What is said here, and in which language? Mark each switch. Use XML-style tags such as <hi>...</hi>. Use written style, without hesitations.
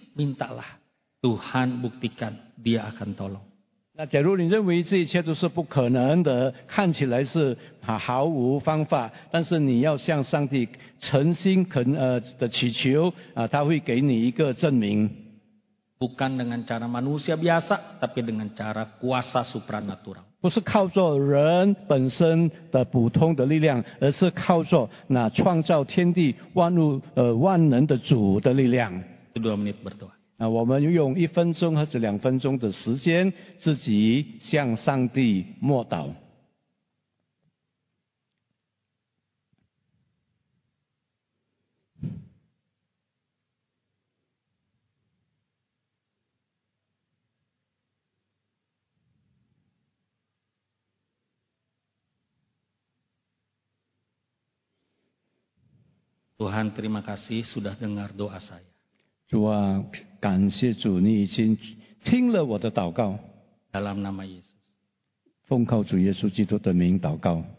<id>Mintalah Tuhan buktikan Dia akan tolong.</id> <zh>那假如你认为这一切都是不可能的，看起来是毫无方法，但是你要向上帝诚心的祈求他会给你一个证明。</zh> <id>Bukan dengan cara manusia biasa, tapi dengan cara kuasa supranatural.</id> <zh>不是靠着人本身的普通的力量，而是靠着那创造天地万物万能的主的力量。</zh> <id>Dua menit berdoa.</id> <zh>我们用一分钟或者两分钟的时间，自己向上帝默祷。</zh> <id>Tuhan, terima kasih sudah dengar doa saya.</id> <zh>主啊，感谢主，你已经听了我的祷告。</zh> <id>Dalam nama Yesus.</id> <zh>奉靠主耶稣基督的名祷告。</zh>